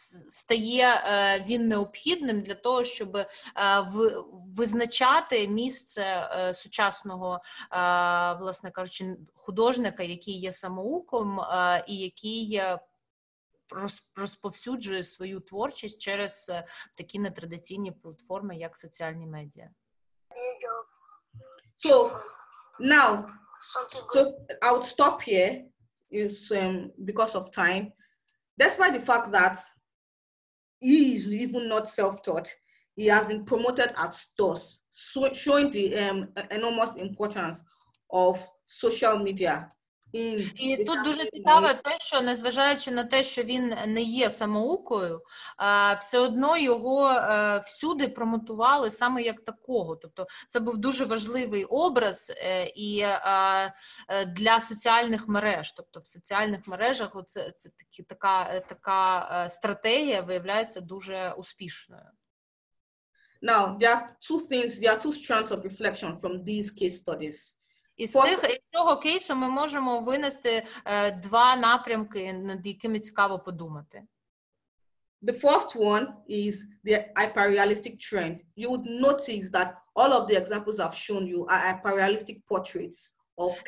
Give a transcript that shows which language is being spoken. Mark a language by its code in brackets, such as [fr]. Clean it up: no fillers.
[uk] стає він необхідним для того, щоб визначати місце сучасного, власне кажучи, художника, який є самоуком і який розповсюджує свою творчість через такі нетрадиційні платформи, як соціальні медіа. [en] So, now, I'll stop here because of time. Despite the fact that he is even not self-taught, he has been promoted as stars, showing the enormous importance of social media. [uk] І тут дуже цікаве те, що незважаючи на те, що він не є самоукою, все одно його всюди промотували саме як такого. Тобто це був дуже важливий образ і для соціальних мереж. Тобто в соціальних мережах це така стратегія виявляється дуже успішною. [en] Now, there are two things, there are two strands of reflection from these case studies. [uk] Із цього кейсу ми можемо винести два напрямки, над якими цікаво подумати. [en] The first one is the hyperrealistic trend. You would notice that all of the examples I've shown you are hyperrealistic portraits of people.